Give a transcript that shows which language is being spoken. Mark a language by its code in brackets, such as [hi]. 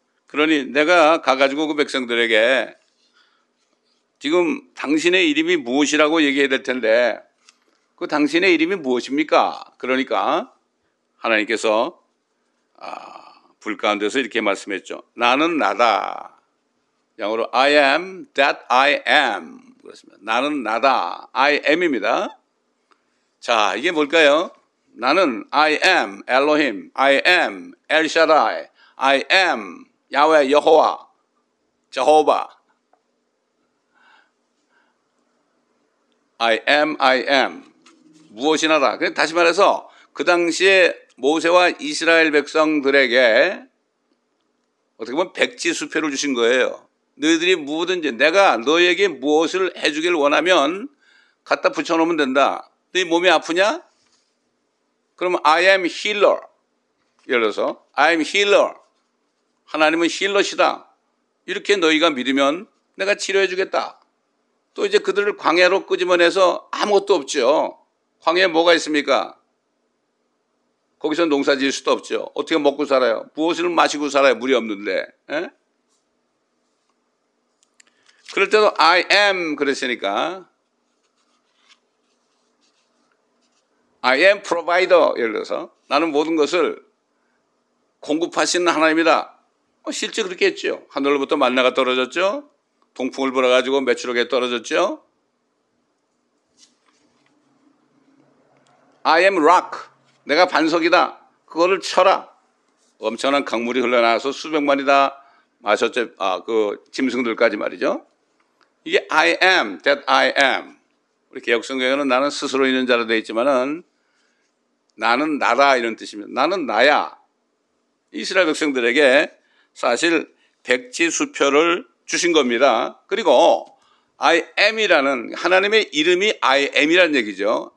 [ko] 그러니 내가 가가지고 그 백성들에게 지금 당신의 이름이 무엇이라고 얘기해야 될 텐데 그 당신의 이름이 무엇입니까? 그러니까 하나님께서 불 가운데서 이렇게 말씀했죠. 나는 나다. 영어로 [en] I am that I am. [ko] 그렇습니다. 나는 나다. I am입니다. 자, 이게 뭘까요? 나는 [en] I am Elohim. I am El Shaddai. I am Yahweh, Yehovah, Jehovah. I am, I am. [ko] 무엇이나 다. 다시 말해서 그 당시에 모세와 이스라엘 백성들에게 어떻게 보면 백지수표를 주신 거예요. 너희들이 뭐든지 내가 너희에게 무엇을 해주길 원하면 갖다 붙여놓으면 된다. 너희 몸이 아프냐? 그러면 [en] I am healer. [ko] 예를 들어서 [en] I am healer. [ko] 하나님은 힐러시다. 이렇게 너희가 믿으면 내가 치료해 주겠다. 또 이제 그들을 광야로 끄집어내서 아무것도 없죠. 광야에 뭐가 있습니까? 거기서 농사 지을 수도 없죠. 어떻게 먹고 살아요? 무엇을 마시고 살아요? 물이 없는데. 에? 그럴 때도 I am 그랬으니까 [en] I am provider [ko] 예를 들어서 나는 모든 것을 공급하시는 하나님이다. 실제 그렇게 했죠. 하늘로부터 만나가 떨어졌죠. 동풍을 불어가지고 메추럭에 떨어졌죠. [en] I am rock. [ko] 내가 반석이다. 그거를 쳐라. 엄청난 강물이 흘러나와서 수백만이다 마셨죠. 아, 그 짐승들까지 말이죠. 이게 [en] I am, that I am. [ko] 우리 개혁성경에는 나는 스스로 있는 자로 되어 있지만은 나는 나라 이런 뜻입니다. 나는 나야. 이스라엘 백성들에게 사실 백지 수표를 주신 겁니다. 그리고 I am이라는 하나님의 이름이 I am이라는 얘기죠.